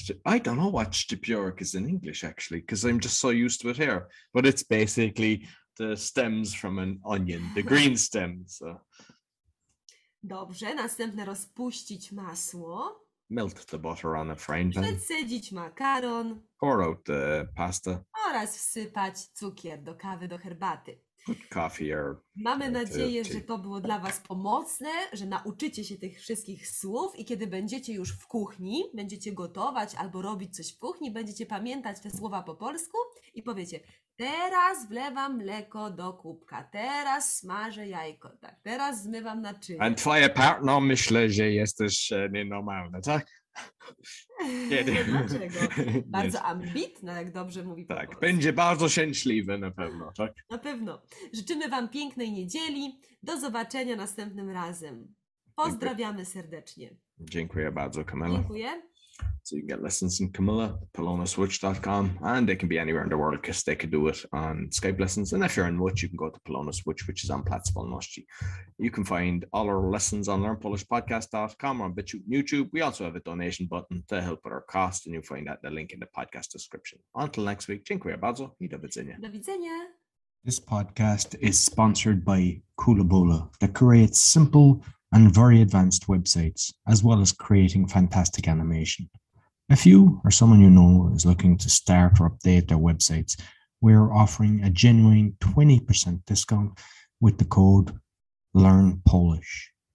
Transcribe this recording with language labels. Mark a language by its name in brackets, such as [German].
[English] I don't know what szczypiorek is in English actually, because I'm just so used to it here. But it's basically the stems from an onion, the green stems. So. [Polish] Dobrze, następne rozpuścić masło. [English] Melt the butter on a frying pan. [Polish] Przecedzić makaron. [English] Pour out the pasta. [Polish] Oraz wsypać cukier do kawy, do herbaty. [English] Put coffee or. [Polish] Mamy nadzieję, że to było dla Was pomocne, że nauczycie się tych wszystkich słów i kiedy będziecie już w kuchni, będziecie gotować albo robić coś w kuchni, będziecie pamiętać te słowa po polsku i powiecie: teraz wlewam mleko do kubka, teraz smażę jajko, tak, teraz zmywam naczynia. A twoje partno myślę, że jesteś nienormalny, tak? Dlaczego? Bardzo ambitna, jak dobrze mówi. Tak, będzie bardzo szczęśliwy na pewno, tak? Na pewno. Życzymy Wam pięknej niedzieli. Do zobaczenia następnym razem. Pozdrawiamy serdecznie. Dziękuję bardzo, Kamila. Dziękuję. [English] So you can get lessons in Camilla, polonaswitch.com, and they can be anywhere in the world because they can do it on Skype lessons. And if you're in Łódź, you can go to polonaswitch, which is on Platz Wolności. You can find all our lessons on learnpolishpodcast.com or on BitChute and YouTube. We also have a donation button to help with our cost, and you'll find that in the link in the podcast description. Until next week, [Polish] dziękuję bardzo i do widzenia. Do widzenia. [English] This podcast is sponsored by Koolabola, that creates simple and very advanced websites, as well as creating fantastic animation. If you or someone you know is looking to start or update their websites, we are offering a genuine 20% discount with the code LEARNPOLISH.